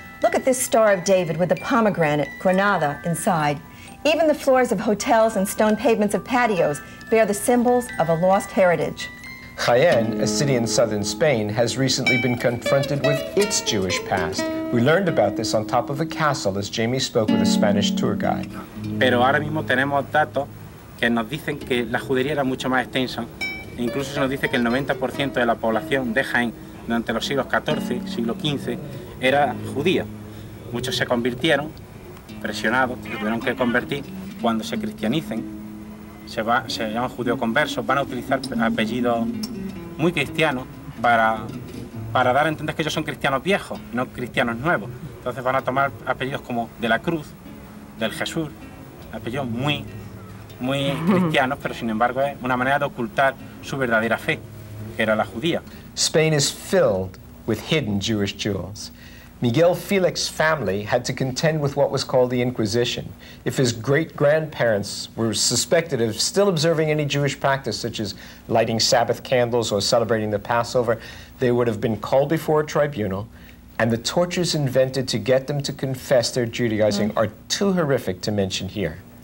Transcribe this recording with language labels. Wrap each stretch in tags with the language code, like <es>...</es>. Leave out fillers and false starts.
<en>Look at this Star of David with the pomegranate, Granada, inside. Even the floors of hotels and stone pavements of patios bear the symbols of a lost heritage. Jaén, a city in southern Spain, has recently been confronted with its Jewish past, We learned about this on top of a castle as Jamie spoke with a Spanish tour guide.</en> <es>Pero ahora mismo tenemos datos que nos dicen que la judería era mucho más extensa. E incluso se nos dice que el 90% de la población de Jaén durante los siglos XIV, siglo XV, era judía. Muchos se convirtieron, presionados, se tuvieron que convertir. Cuando se cristianicen, se llaman judío converso, van a utilizar apellidos muy cristianos para dar a entender que ellos son cristianos viejos, no cristianos nuevos. Entonces van a tomar apellidos como de la cruz, del Jesús, apellidos muy, muy cristianos, pero sin embargo es una manera de ocultar su verdadera fe, que era la judía.</es> <en>Spain is filled with hidden Jewish jewels. Miguel Felix's family had to contend with what was called the Inquisition. If his great-grandparents were suspected of still observing any Jewish practice, such as lighting Sabbath candles or celebrating the Passover, they would have been called before a tribunal, and the tortures invented to get them to confess their Judaizing are too horrific to mention here.</en>